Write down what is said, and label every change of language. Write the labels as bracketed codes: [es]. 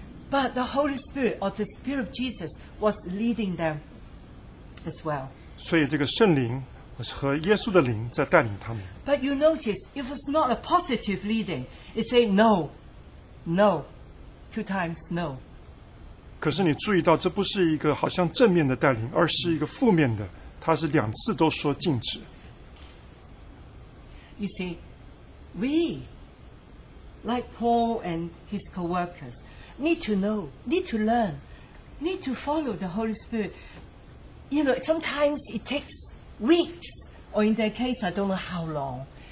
[en] But the Holy Spirit or the Spirit of Jesus was leading them as well. [zh] 所以这个圣灵, 和耶稣的灵在带领他们。 [en] But you notice, if it's not a positive leading, it say no, no, two times no. [zh] 可是你注意到这不是一个好像正面的带领, 而是一个负面的, 它是两次都说禁止。 [en] You see, we, like Paul and his co-workers, need to follow the Holy Spirit. You know, sometimes it takes weeks, or in their case, I don't know how long.